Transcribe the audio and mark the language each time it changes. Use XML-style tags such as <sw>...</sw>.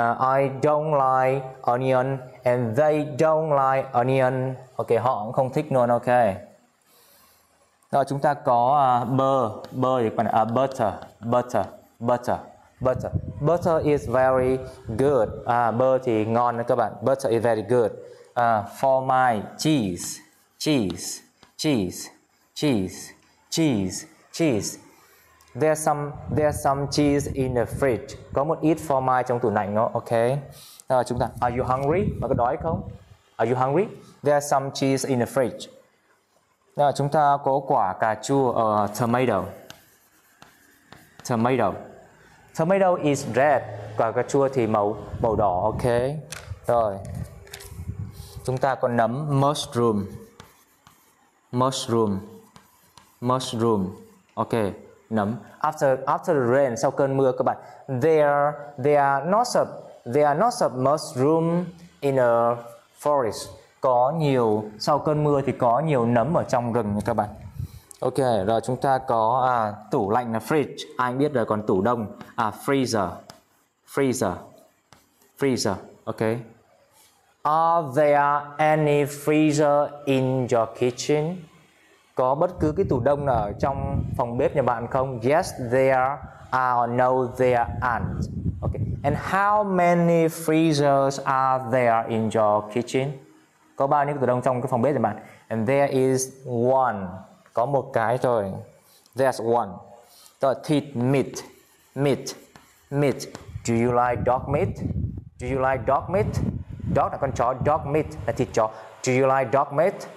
<en>I don't like onion and they don't like onion.</en> <vi>Ok, họ cũng không thích luôn. Ok. Rồi chúng ta có bơ. Bơ thì các bạn là butter. Butter. Butter. Butter.</vi> <en>Butter is very good.</en> <vi>Bơ thì ngon đó các bạn.</vi> <en>Butter is very good. For my cheese. Cheese. Cheese. Cheese. Cheese. Cheese. There's some cheese in the fridge.</en> <vi>Có một ít phô mai trong tủ lạnh đó.</vi> <en>Ok.</en> <vi>Rồi chúng ta</vi> <en>are you hungry?</en> <vi>Bạn có đói không?</vi> <en>Are you hungry? There's some cheese in the fridge.</en> <vi>Rồi chúng ta có quả cà chua ở tomato. Tomato.</vi> <en>Tomato is red.</en> <vi>Quả cà chua thì màu đỏ. Ok. Rồi. Chúng ta có nấm mushroom.</vi> <en>Mushroom. Mushroom. Ok. Nấm. After the rain,</en> <vi>sau cơn mưa các bạn.</vi> <en>There are not a mushroom in a forest.</en> <vi>Có nhiều sau cơn mưa thì có nhiều nấm ở trong rừng các bạn. Ok, rồi chúng ta có tủ lạnh là fridge. Ai biết rồi, còn tủ đông freezer.</vi> <en>Freezer. Freezer. Ok. Are there any freezer in your kitchen?</en> <vi>Có bất cứ cái tủ đông nào ở trong phòng bếp nhà bạn không?</vi> <en>Yes, there are or no, there aren't. Okay. And how many freezers are there in your kitchen?</en> <vi>Có bao nhiêu tủ đông trong cái phòng bếp nhà bạn?</vi> <en>And there is one.</en> <vi>Có một cái thôi.</vi> <en>There's one. The thịt meat. Meat. Meat. Do you like dog meat? Do you like dog meat?</en> <vi>Dog là con chó.</vi> <en>Dog meat</en> <vi>là thịt chó.</vi> <en>Do you like dog meat?</en>